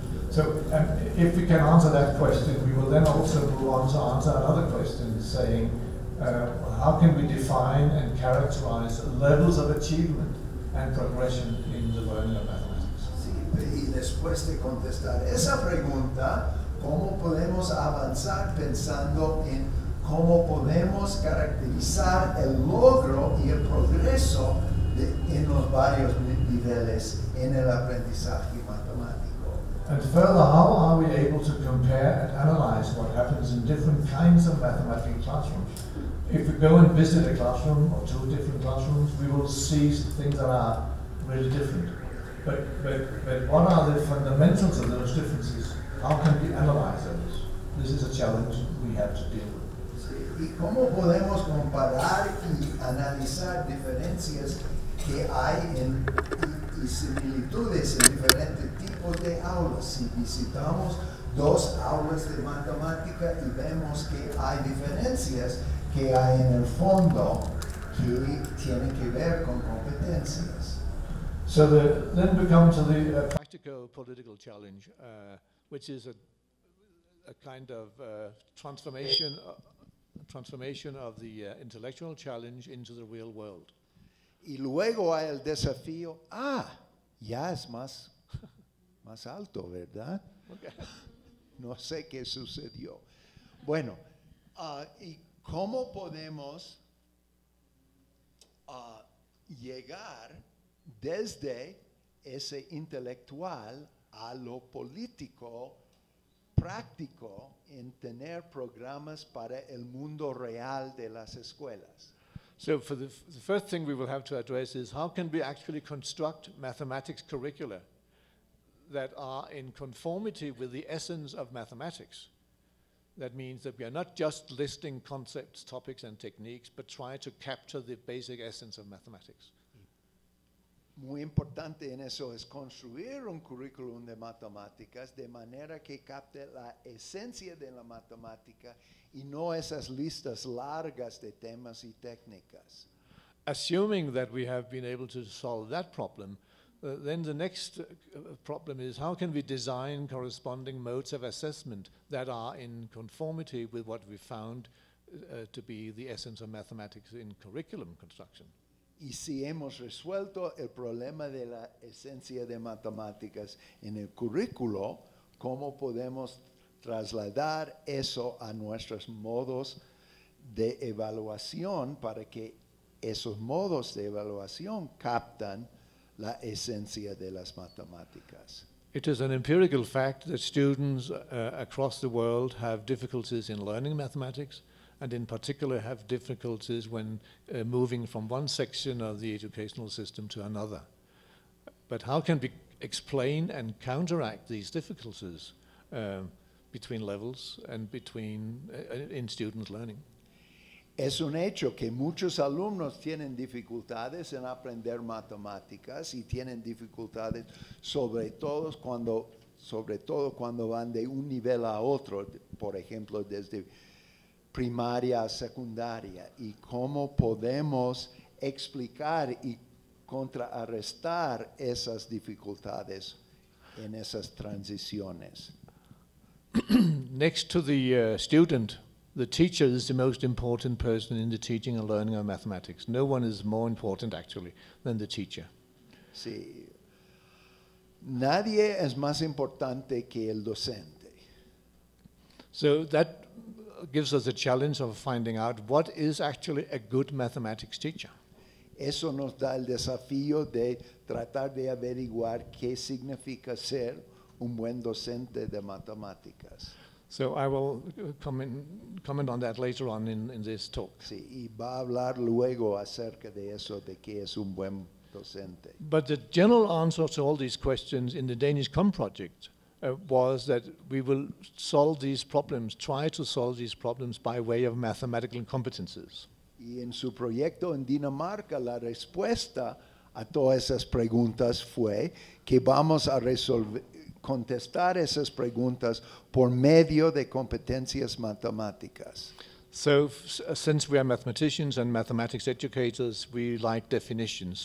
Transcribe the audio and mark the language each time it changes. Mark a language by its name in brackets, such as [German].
[English] So, if we can answer that question, we will then also move on to answer another question, saying, how can we define and characterize levels of achievement and progression in the learning of mathematics? [Spanish] Sí, y después de contestar esa pregunta, ¿cómo podemos avanzar pensando en cómo podemos caracterizar el logro y el progreso en los varios niveles en el aprendizaje matemático? [English] And further, how are we able to compare and analyze what happens in different kinds of mathematical classrooms? If we go and visit a classroom or two different classrooms, we will see things that are really different. But what are the fundamentals of those differences? How can we analyze those? This is a challenge we have to deal with. [Spanish] ¿Y cómo podemos comparar y analizar diferencias que hay en y similitudes en diferentes tipos de aulas? Si visitamos dos aulas de matemática y vemos que hay diferencias que hay en el fondo que tienen que ver con competencias. [English] So then we come to the practical political challenge, which is a a kind of transformation of the intellectual challenge into the real world. [Spanish] Y luego hay el desafío, ya es más, más alto, ¿verdad? [English] Okay. [Spanish] No sé qué sucedió. Bueno, ¿y cómo podemos llegar desde ese intelectual a lo político, práctico, en tener programas para el mundo real de las escuelas? [English] So for the first thing we will have to address is how can we actually construct mathematics curricula that are in conformity with the essence of mathematics? That means that we are not just listing concepts, topics, and techniques, but try to capture the basic essence of mathematics. [Spanish] Muy importante en eso es construir un currículum de matemáticas de manera que capte la esencia de la matemática y no esas listas largas de temas y técnicas. [English] Assuming that we have been able to solve that problem, then the next problem is how can we design corresponding modes of assessment that are in conformity with what we found to be the essence of mathematics in curriculum construction. [Spanish] Y si hemos resuelto el problema de la esencia de matemáticas en el currículo, ¿cómo podemos trasladar eso a nuestros modos de evaluación para que esos modos de evaluación captan la esencia de las matemáticas? [English] It is an empirical fact that students across the world have difficulties in learning mathematics, and in particular have difficulties when moving from one section of the educational system to another. But how can we explain and counteract these difficulties between levels and between in student learning? [Spanish] Es un hecho que muchos alumnos tienen dificultades en aprender matemáticas y tienen dificultades sobre todo cuando van de un nivel a otro, por ejemplo, desde primaria, secundaria, y cómo podemos explicar y contrarrestar esas dificultades en esas transiciones. [English] Next to the student, the teacher is the most important person in the teaching and learning of mathematics. No one is more important, actually, than the teacher. [Spanish] Sí. Nadie es más importante que el docente. [English] So that gives us a challenge of finding out what is actually a good mathematics teacher. [Spanish] Eso nos da el desafío de tratar de averiguar qué significa ser un buen docente de matemáticas. [English] So I will comment on that later on in this talk. [Spanish] Sí, y va a hablar luego acerca de eso, de qué es un buen docente. [English] But the general answer to all these questions in the Danish COM project was that we will try to solve these problems by way of mathematical competences. [Spanish] Y en su proyecto en Dinamarca, la respuesta a todas esas preguntas fue que vamos a contestar esas preguntas por medio de competencias matemáticas. [English] So, since we are mathematicians and mathematics educators, we like definitions.